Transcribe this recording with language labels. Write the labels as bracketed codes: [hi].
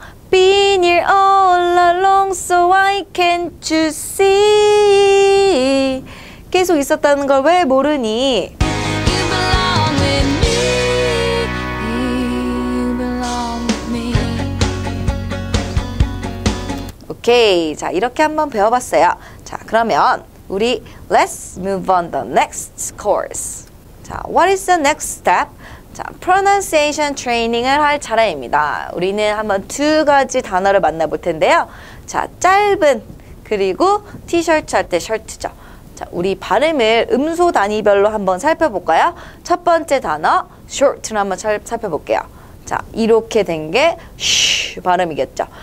[en] Been here all along so why can't you see. [ko] 계속 있었다는 걸 왜 모르니. [en] You belong with me. You belong with me. [ko] 오케이, 자, 이렇게 한번 배워봤어요. 자, 그러면 우리 [en] let's move on the next course. 자, what is the next step? [ko] 자, pronunciation training을 할 차례입니다. 우리는 한번 두 가지 단어를 만나볼 텐데요. 자, 짧은, 그리고 티셔츠 할 때 셔츠죠. 자, 우리 발음을 음소 단위별로 한번 살펴볼까요? 첫 번째 단어, short를 한번 살펴볼게요. 자, 이렇게 된 게 sh 발음이겠죠.